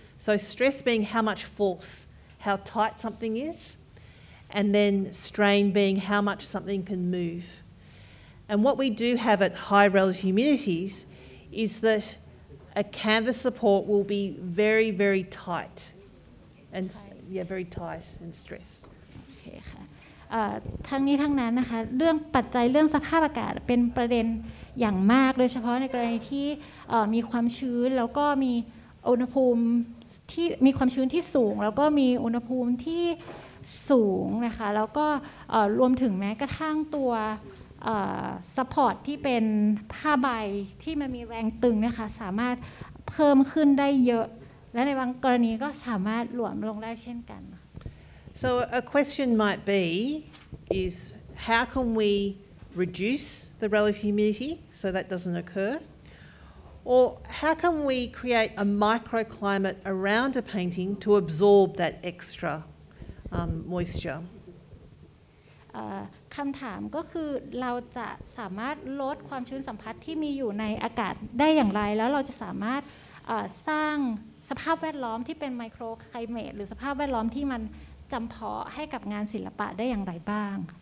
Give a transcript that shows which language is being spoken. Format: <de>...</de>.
<en>So stress being how much force, how tight something is, and then strain being how much something can move. And what we do have at high relative humidities is that a canvas support will be very, very tight. And tight. Yeah, very tight and stressed.</en> <th>Okay, ค่ะ ทั้งนี้ทั้งนั้นนะคะเรื่องปัจจัยเรื่องสภาพอากาศเป็นประเด็น อย่างมากโดยเฉพาะในกรณีที่มีความชื้นแล้วก็มีอุณหภูมิที่มีความชื้นที่สูงแล้วก็มีอุณหภูมิที่สูงนะคะแล้วก็รวมถึงแม้กระทั่งตัวซัพพอร์ตที่เป็นผ้าใบที่มันมีแรงตึงนะคะสามารถเพิ่มขึ้นได้เยอะและในบางกรณีก็สามารถหลวมลงได้เช่นกัน</th> <en>So a question might be is how can we reduce the relative humidity so that doesn't occur or how can we create a microclimate around a painting to absorb that extra moisture</en> <th>คำถามก็คือเราจะสามารถลดความชื้นสัมผัสที่มีอยู่ในอากาศได้อย่างไรแล้วเราจะสามารถสร้างสภาพแวดล้อมที่เป็นไมโครไคลเมทหรือสภาพแวดล้อมที่มันจำเพาะให้กับงานศิลปะได้อย่างไรบ้าง</th>